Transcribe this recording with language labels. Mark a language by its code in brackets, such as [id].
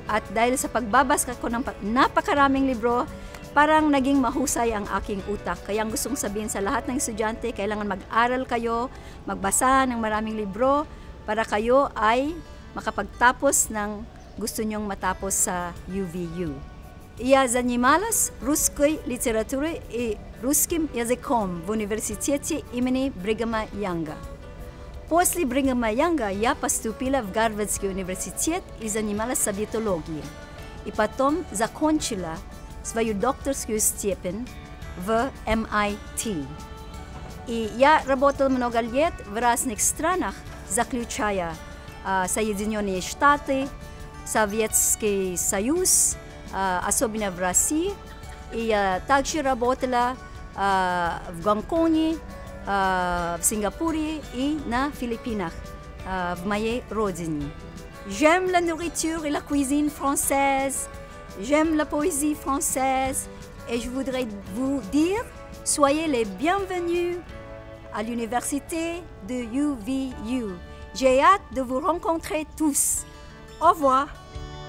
[tl] At dahil sa pagbabasa ko ng napakaraming libro, parang naging mahusay ang aking utak. Kaya ang gustong sabihin sa lahat ng estudyante, kailangan mag-aral kayo, magbasa ng maraming libro para kayo ay makapagtapos ng gusto nyong matapos sa UVU. [ru] Я занималась русской литературой и русским языком в университете имени Бригама Янга. После Бригама Янга я поступила в Гарвардский университет и занималась советологией. И потом закончила свою докторскую степень в MIT. И я работала много лет в разных странах, заключая Соединенные Штаты, Советский Союз, особенно в России. И я также работала в Гонконге, в Сингапуре и на Филиппинах, в моей родине. [fr] J'aime la nourriture et la cuisine française. J'aime la poésie française et je voudrais vous dire, soyez les bienvenus à l'université de UVU. J'ai hâte de vous rencontrer tous. Au revoir.